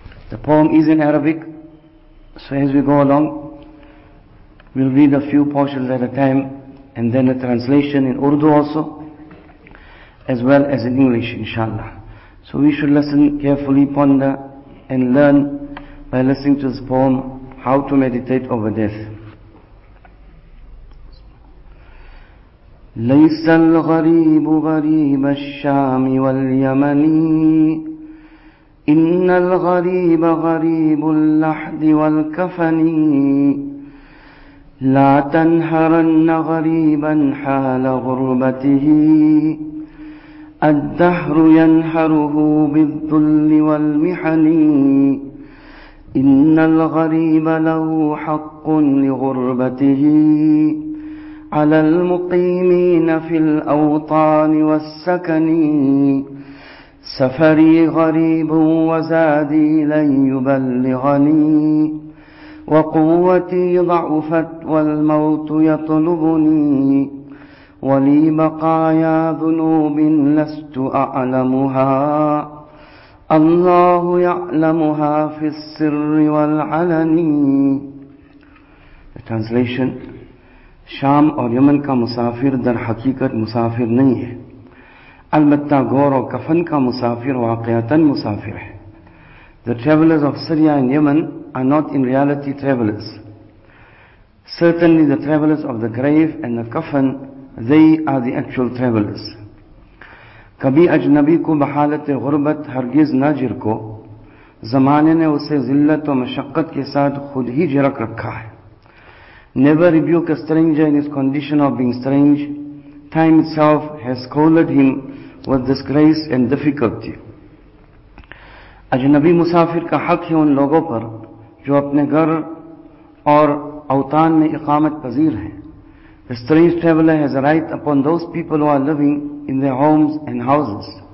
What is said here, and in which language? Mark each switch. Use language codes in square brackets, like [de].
[en] The poem is in Arabic, so as we go along, we'll read a few portions at a time, and then a translation in Urdu also, as well as in English, inshallah. So we should listen carefully, ponder, and learn by listening to this poem how to meditate over death. [ar] ليس الغريب غريب الشام واليمن إن الغريب غريب اللحد والكفن لا تنهرن غريبا حال غربته الدهر ينهره بالذل والمحن إن الغريب له حق لغربته على المقيمين في الأوطان والسكن سفري غريب وزادي لن يبلغني وقوتي ضعفت والموت يطلبني ولي بقايا ذنوب لست أعلمها الله يعلمها في السر والعلن. [en] The translation: [ur] شام اور یمن کا مسافر در حقیقت مسافر نہیں ہے، البتہ گور اور کفن کا مسافر واقعتاً مسافر ہے. [en] The travelers of Syria and Yemen are not in reality travelers. Certainly the travelers of the grave and the coffin, they are the actual travelers. [ur] کبھی اجنبی کو بحالت غربت ہرگز نہ جرکو، زمانے نے اسے ذلت و مشقت کے ساتھ خود ہی جرک رکھا ہے. [en] Never rebuke a stranger in his condition of being strange. Time itself has scolded him with disgrace and difficulty. [ur] اجنبی مسافر کا حق ہے ان لوگوں پر جو اپنے گھر اور اوطان میں اقامت پذیر ہیں. [en] The strange traveler has a right upon those people who are living in their homes and houses.